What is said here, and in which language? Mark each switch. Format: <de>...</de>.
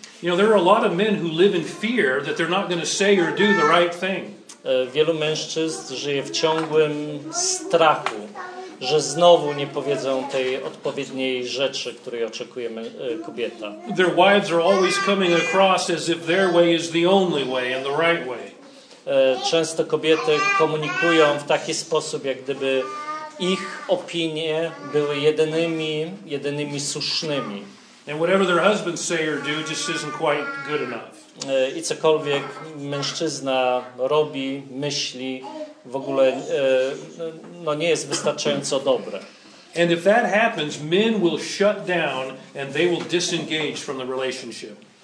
<en>You know, there are a lot of men who live in fear that they're not going to say or do the right thing.</en> <pl>Wielu mężczyzn żyje w ciągłym strachu, że znowu nie powiedzą tej odpowiedniej rzeczy, której oczekuje kobieta.</pl> <en>Their wives are always coming across as if their way is the only way and the right way.</en> <pl>Często kobiety komunikują w taki sposób, jak gdyby ich opinie były jedynymi słusznymi.</pl> <en>And whatever their husbands say or do just isn't quite good enough.</en> <pl>I cokolwiek mężczyzna robi, myśli, w ogóle no nie jest wystarczająco dobre.</pl> <en>And if that happens, men will shut down and they will disengage from the relationship.</en>